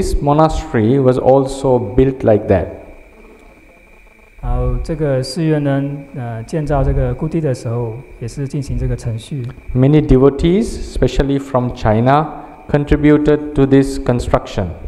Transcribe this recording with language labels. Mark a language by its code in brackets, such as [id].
[en] this monastery was also built like that. [zh] 然后这个寺院呢，建造这个故地的时候也是进行这个程序。 [en] Many devotees, especially from China, contributed to this construction.